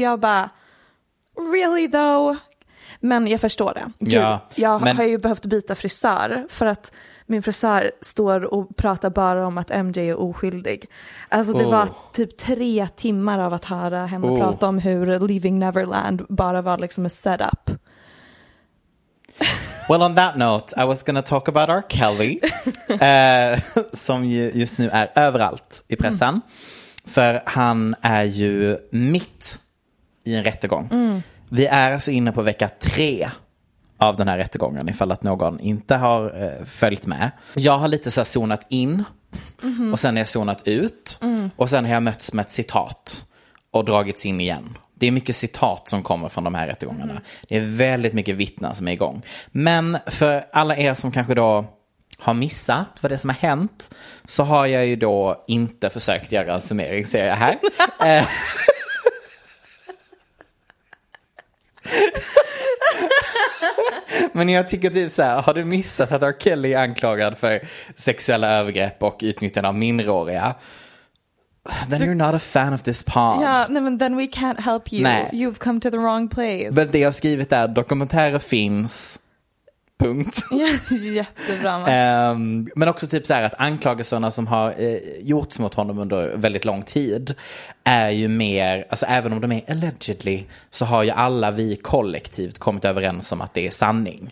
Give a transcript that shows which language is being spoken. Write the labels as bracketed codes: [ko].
[sv] Jag bara, [en] really though? [sv] Men jag förstår det. Gud, ja, jag men... har ju behövt byta frisör för att min frisör står och pratar bara om att MJ är oskyldig. Alltså det var typ 3 timmar av att höra henne prata om hur Leaving Neverland bara var liksom [en] a setup. Well, on that note, I was gonna talk about R. Kelly. [sv] som ju just nu är överallt i pressen. Mm. För han är ju mitt i en rättegång. Mm. Vi är alltså inne på 3 av den här rättegången, ifall att någon inte har följt med. Jag har lite så här zonat in, och sen har jag zonat ut, och sen har jag mötts med ett citat och dragits in igen. Det är mycket citat som kommer från de här rättegångarna. Mm. Det är väldigt mycket vittnen som är igång. Men för alla er som kanske då har missat vad det är som har hänt, så har jag ju då inte försökt göra en summering, ser jag här. Men jag tycker typ så här, har du missat att R. Kelly är anklagad för sexuella övergrepp och utnyttjande av minderåriga? [en] Then you're not a fan of this pod. Yeah, then we can't help you. Nej. You've come to the wrong place. [sv] Men det jag skrivit är, dokumentärer finns. Punkt. Jättebra. Men också typ så här, att anklagelserna som har gjorts mot honom under väldigt lång tid är ju mer, alltså även om de är allegedly, så har ju alla vi kollektivt kommit överens om att det är sanning.